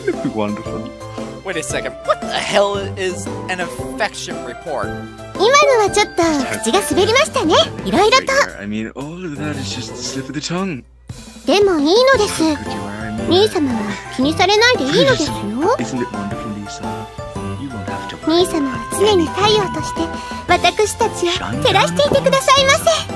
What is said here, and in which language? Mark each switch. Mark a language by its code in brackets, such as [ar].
[en] Wait a second, what the hell is an affection report? [ja] 今のはちょっと口が滑りましたね、いろいろと。 [en] I mean, all of that is just a slip of the tongue. [ja] でもいいのです。兄様は気にされないでいいのですよ。 [en] Isn't it wonderful, Lisa? You won't have to worry. [ja] 兄様は常に太陽として私たちを照らしていてくださいませ。